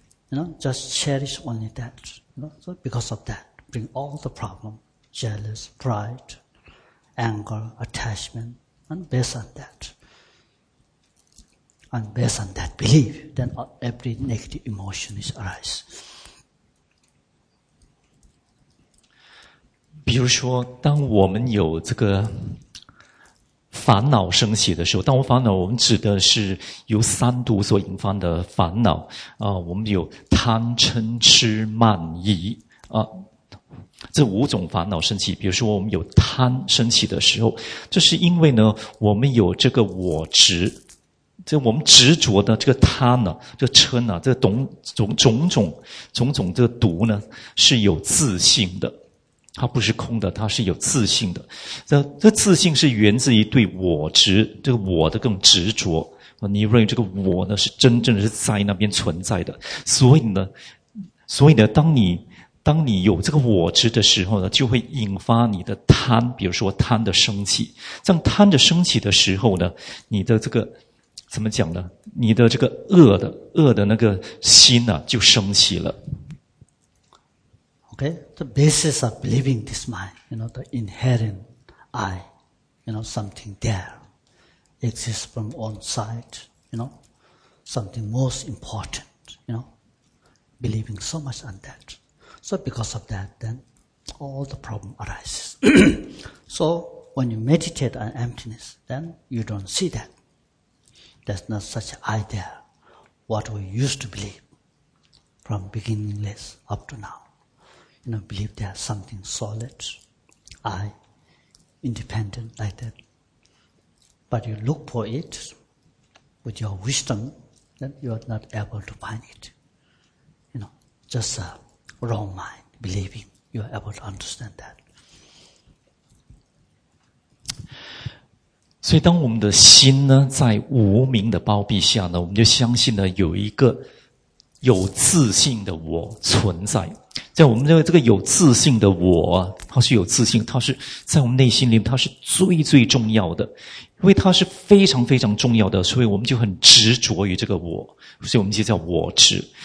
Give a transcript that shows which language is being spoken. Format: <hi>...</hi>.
<en>You know, just cherish only that. You know, so because of that, bring all the problem, jealous, pride, anger, attachment, and based on that. And based on that belief, then every negative emotion is arise.</en> <zh>比如说，当我们有这个烦恼升起的时候，当我烦恼，我们指的是由三毒所引发的烦恼啊，我们有贪嗔痴慢疑啊，这五种烦恼升起。比如说，我们有贪升起的时候，这是因为呢，我们有这个我执，这我们执着的这个贪呢，这个嗔啊，这个种种这个毒呢，是有自性的，它不是空的，它是有自性的。这自性是源自于对我执，这个我的更执着。你认为这个我呢是真正的是在那边存在的，所以呢，当你有这个我执的时候呢，就会引发你的贪，比如说贪的升起。当贪的升起的时候呢，你的这个怎么讲呢？你的这个恶的那个心啊，就升起了。</zh> <en>Okay, the basis of believing this mind, you know, the inherent I, you know, something there exists from one side, you know, something most important, you know, believing so much on that. So because of that, then all the problem arises. So when you meditate on emptiness, then you don't see that. There's not such an idea what we used to believe from beginningless up to now. You know, believe there's something solid, I, independent like that. But you look for it with your wisdom, then you are not able to find it. You know, just a wrong mind believing you are able to understand that.</en> <zh>所以当我们的心呢在无明的包庇下呢，我们就相信呢有一个有自信的我存在。在我们认为这个有自信的我，它是有自信，它是在我们内心里面，它是最最重要的，因为它是非常非常重要的，所以我们就很执着于这个我，所以我们就叫我执。</zh>